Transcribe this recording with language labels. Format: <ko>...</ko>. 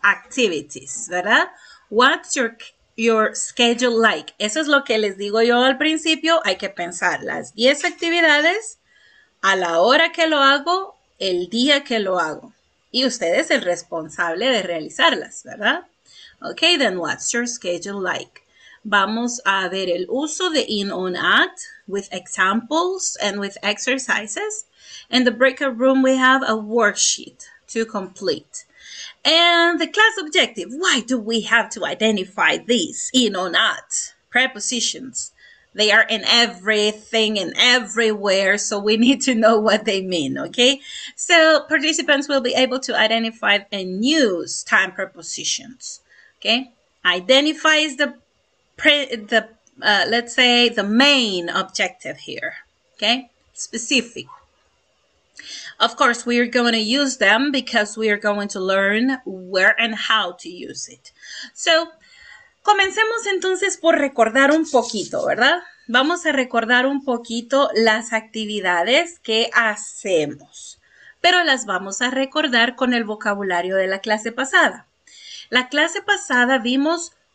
<en>Activities, ¿verdad? What's your schedule like?</en> <es>Eso es lo que les digo yo al principio. Hay que pensar las 10 actividades a la hora que lo hago, el día que lo hago. Y usted es el responsable de realizarlas, ¿verdad?</es> <en>Ok, then what's your schedule like?</en> <es>Vamos a ver el uso de in, on, at</es> <en>with examples and with exercises. In the breakout room, we have a worksheet to complete. And the class objective, why do we have to identify these in, on, at prepositions? They are in everything and everywhere, so we need to know what they mean, okay? So participants will be able to identify and use time prepositions. Okay, identify is let's say the main objective here. Okay, specific. Of course, we are going to use them because we are going to learn where and how to use it.</en> <es>So, comencemos entonces por recordar un poquito, ¿verdad? Vamos a recordar un poquito las actividades que hacemos, pero las vamos a recordar con el vocabulario de la clase pasada. La clase pasada vimos</es>